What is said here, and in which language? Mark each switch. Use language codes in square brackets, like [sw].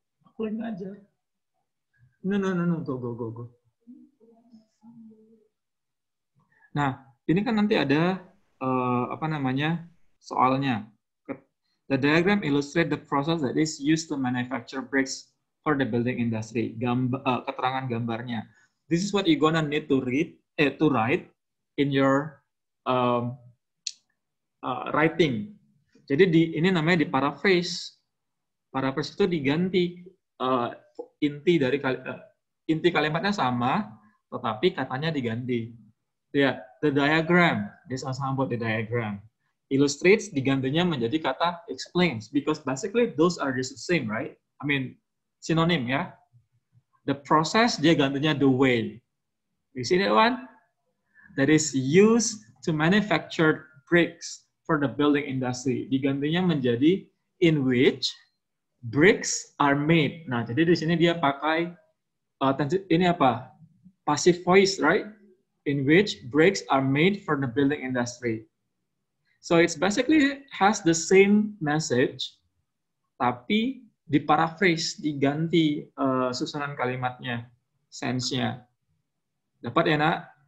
[id] Aku yang ngajar. [en] No, go. [id] Nah, ini kan nanti ada apa namanya soalnya. [en] The diagram illustrates the process that is used to manufacture bricks for the building industry. [id] Keterangan gambarnya. [en] This is what you gonna need to read to write in your writing [id] Jadi ini namanya di paraphrase. Paraphrase itu diganti inti dari inti kalimatnya sama, tetapi katanya diganti. Lihat, [en] the diagram, this is how about the diagram. Illustrates [id] digantinya menjadi kata [en] explains, because basically those are just the same, right? I mean, synonym ya. The process, [id] dia gantinya [en] the way. You see that one? That is used to manufacture bricks for the building industry. [id] Digantinya menjadi [en] in which bricks are made. [id] Nah, jadi di sini dia pakai ini apa? [en] Passive voice, right? In which bricks are made for the building industry. So it's basically has the same message, [id] tapi diparaphrase, diganti susunan kalimatnya, sense-nya. Dapat ya, nak?